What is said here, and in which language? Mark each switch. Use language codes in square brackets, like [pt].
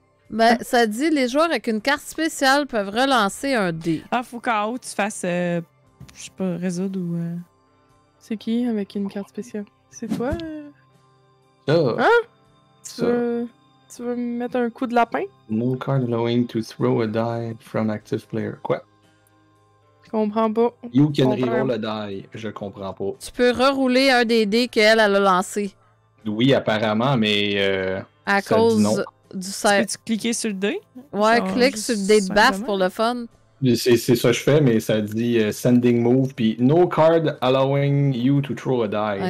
[fr] Ben, ça dit, les joueurs avec une carte spéciale peuvent relancer un dé. Ah, faut qu'en haut, tu fasses... Je sais pas, résoudre ou... C'est qui avec une carte spéciale? C'est toi? Hein? Tu veux me mettre un coup de lapin? [en] No card allowing to throw a die from active player. [fr] Quoi? Comprends pas. [en] You can reroll a die. [fr] Je comprends pas. Tu peux rerouler un des dés qu'elle a lancé. Oui, apparemment, mais... À cause du cerf. Tu peux cliquer sur le dé? Ouais, ça, clique sur le dé de baf pour le fun. C'est ça que je fais, mais ça dit [en] sending move, [fr] puis [en] no card allowing you to throw a die.